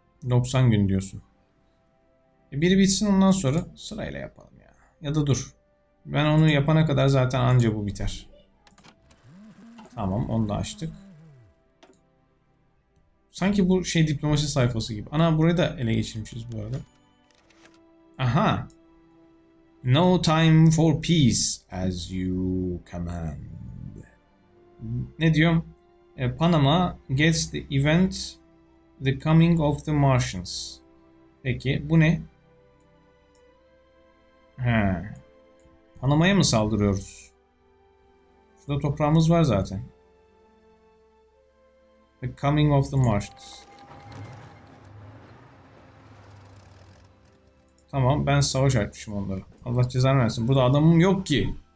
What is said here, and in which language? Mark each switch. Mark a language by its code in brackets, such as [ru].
[tr] 90 gün diyorsun. Biri bitsin, ondan sonra sırayla yapalım ya. Ya da dur. Ben onu yapana kadar zaten anca bu biter. Tamam, onu da açtık. Sanki bu şey diplomasi sayfası gibi. Ana, burayı da ele geçirmişiz bu arada. Aha. [en] No time for peace as you command. [tr] Ne diyorum? [en] Panama gets the event the coming of the Martians. [tr] Peki bu ne? He. Panama'ya mı saldırıyoruz? Şurada toprağımız var zaten. [en] The coming of the Martians. [tr] Tamam, ben savaş açmışım onları. Allah ceza versin. Burada adamım yok ki.